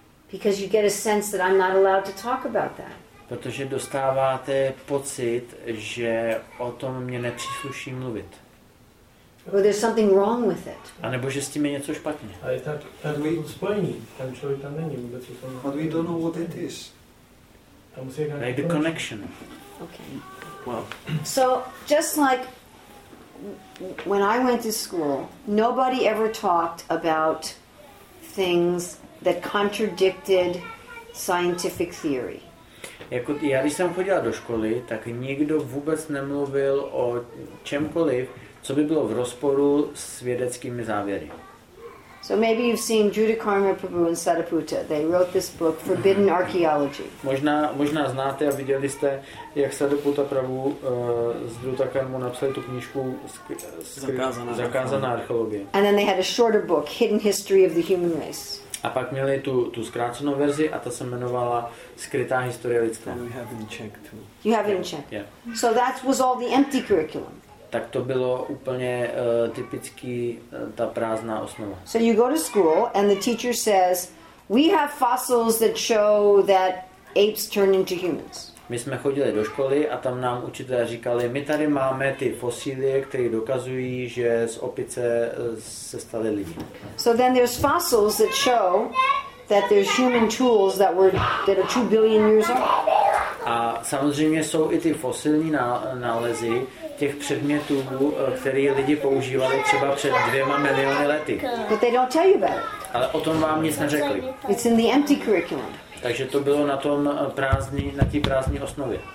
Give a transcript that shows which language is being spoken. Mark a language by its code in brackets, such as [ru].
[en] Because you get a sense that I'm not allowed to talk about that. [cs] Protože dostáváte pocit, že o tom mě nepřísluší mluvit. [en] Well, there's something wrong with it. [cs] A nebo že s tím je něco špatně. Ale tak we spojení, ten člověk tam není vůbec. [en] But we don't know what it is. [cs] Tam musí jít [en] like the connection. Okay. Well. So just like when I went to school, nobody ever talked about things that contradicted scientific theory. [cs] Jako já když jsem chodila do školy, tak nikdo vůbec nemluvil o čemkoliv, co by bylo v rozporu s vědeckými závěry. [en] So maybe you've seen Judhakarma Prabhu and Sariputta. They wrote this book, Forbidden Archaeology. [cs] Možná znáte a viděli jste, jak Sariputta Prabhu z Judhakarmu napsal tu knížku Zakázaná archeologie. [en] And then they had a shorter book, Hidden History of the Human Race. [cs] A pak měli tu zkrácenou verzi a ta se jmenovala Skrytá historie lidstva. [en] And we have in Czech too. You have it in Czech. Yeah. So that was all the empty curriculum. [cs] Tak to bylo úplně typický ta prázdná osnova. [en] So you go to school and the teacher says, we have fossils that show that apes turn into humans. [cs] My jsme chodili do školy a tam nám učitelé říkali, my tady máme ty fosílie, které dokazují, že z opice se staly lidi. [en] So then there's fossils that show that there's human tools that are 2 billion years old. [cs] A samozřejmě jsou i ty fosilní nálezy těch předmětů, které lidi používali třeba před 2 miliony lety. [en] But they don't tell you about it. [cs] Ale o tom vám nic neřekli. [en] It's in the empty curriculum. [cs] Takže to bylo na tom prázdný, na té prázdné osnově.